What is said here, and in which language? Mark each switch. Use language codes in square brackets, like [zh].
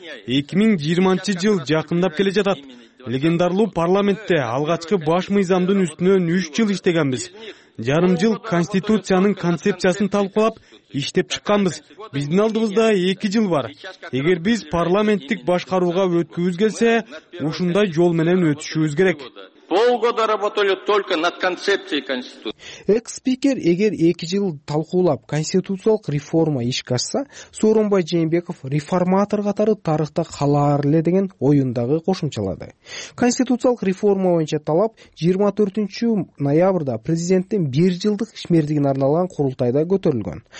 [ky] 2020 жыл жакындап келе жатат. Легендарлуу парламентте алгачкы баш мыйзамдын үстүнөн 3 жыл иштегенбиз. Жарым жыл конституциянын концепциясын талкуулап иштеп чыкканбыз. Биздин алдыбызда 2 жыл бар. Эгер биз парламенттик башкарууга өткүбүз келсе, ушундай жол менен өтүшүбүз керек. [ru] полгода работали только над концепцией конституции. [ky] Экс-спикер эгер 2 жыл талкуулап конституциялык реформа ишкашса, Сооронбай Жээнбеков реформатор катары тарыхта калар эле деген оюндагы кошумчалады. Конституциялык реформа боюнча талап 24 ноябрда президенттин 1 жылдык ишмердигин арналган курултайда көтөрүлгөн.